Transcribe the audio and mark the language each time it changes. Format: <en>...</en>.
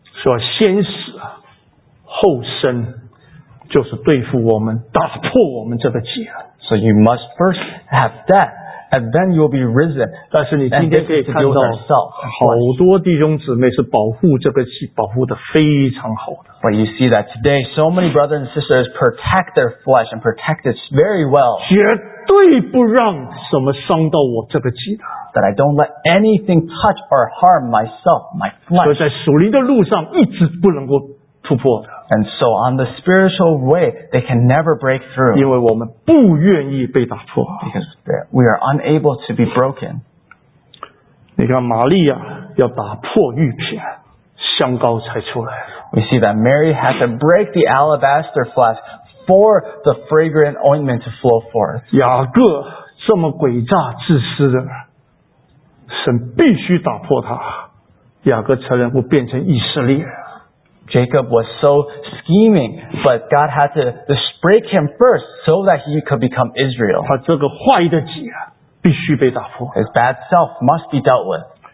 <zh>说先死后生就是对付我们打破我们这个结。</zh> <en>So you must first have death and then you will be risen.</en> <zh>但是你今天可以看到好多弟兄姊妹是保护这个气保护的非常好的。</zh> <en>But you see that today so many brothers and sisters protect their flesh and protect it very well.</en> <zh>绝对不让什么伤到我这个气的。</zh> <en>That I don't let anything touch or harm myself, my flesh.</en> <zh>所以在属灵的路上一直不能够突破的。</zh> <en>And so on the spiritual way, they can never break through.</en> <zh>因为我们不愿意被打破。</zh> <en>Because we are unable to be broken.</en> <zh>你看玛利亚要打破玉瓶，香膏才出来。</zh> <en>We see that Mary had to break the alabaster flask for the fragrant ointment to flow forth.</en> <zh>雅各这么诡诈自私的神必须打破他，雅各才能够变成以色列。</zh> <en>Jacob was so scheming, but God had to break him first so that he could become Israel.</en> <zh>他这个坏的己啊，必须被打破。</zh> <en>His bad self must be dealt with.</en>